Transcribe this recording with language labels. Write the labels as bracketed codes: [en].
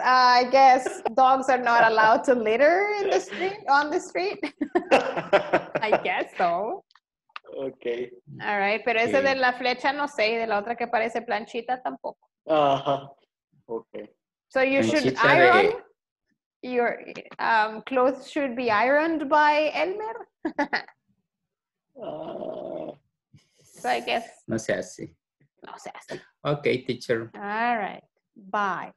[en] I guess dogs are not allowed to litter in the street on the street. I guess so. Okay. All right, [es] pero ese de la flecha no sé, y de la otra que parece planchita tampoco. [en] Okay. So you should iron your clothes should be ironed by Elmer. So I guess. [es] No sé así. [en] Okay, teacher. All right. Bye.